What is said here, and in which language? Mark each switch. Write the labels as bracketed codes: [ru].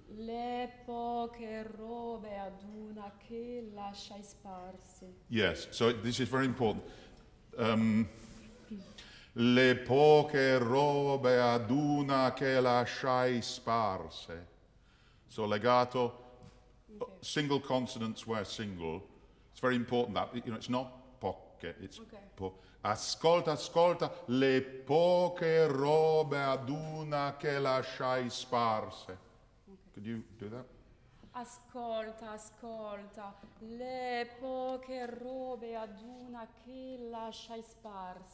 [it] Le poche robe ad una che lascia sparse. [en] Yes, so this is very important. [it] Le poche robe ad una che lasciai sparse. [en] So legato, okay. Single consonants were single. It's very important that, you know, it's not poche, it's okay. [it] Po. Ascolta, ascolta, le poche robe ad una che lasciai sparse. [en] Could you do that? [it] Ascolta, ascolta, le poche robe ad una che lasciai sparse.